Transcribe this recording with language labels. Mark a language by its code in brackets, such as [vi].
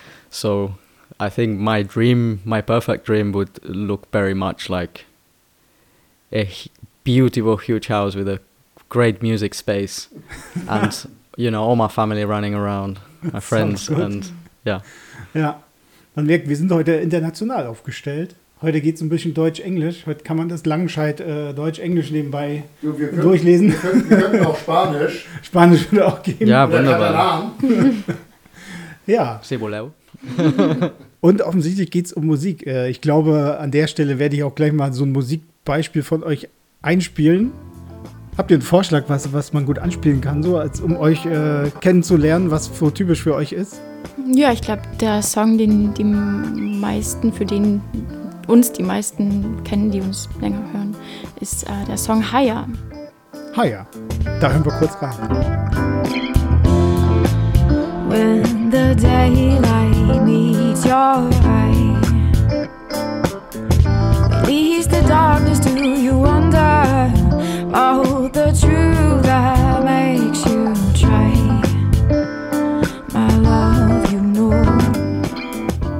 [en] So I think my dream, my perfect dream, would look very much like a beautiful huge house with a great music space and you know, all my family running around, my friends and yeah. [de] Ja, man merkt, wir sind heute international aufgestellt. Heute geht es ein bisschen Deutsch-Englisch. Heute kann man das Langenscheid Deutsch-Englisch nebenbei durchlesen. Wir könnten auch Spanisch. Spanisch würde auch gehen. Ja, wunderbar. Ja. Cebuleu. Und offensichtlich geht es um Musik. Ich glaube, an der Stelle werde ich auch gleich mal so ein Musikbeispiel von euch einspielen. Habt ihr einen Vorschlag, was man gut anspielen kann, so als um euch kennenzulernen, was so typisch für euch ist? Ja, ich glaube, der Song, den die meisten, für den uns die meisten kennen, die uns länger hören, ist der Song Higher. Higher. Da hören wir kurz rein. [en] When the daylight meets your eye, at least the darkness do you wonder. Oh, the truth that makes you try, my love, you know.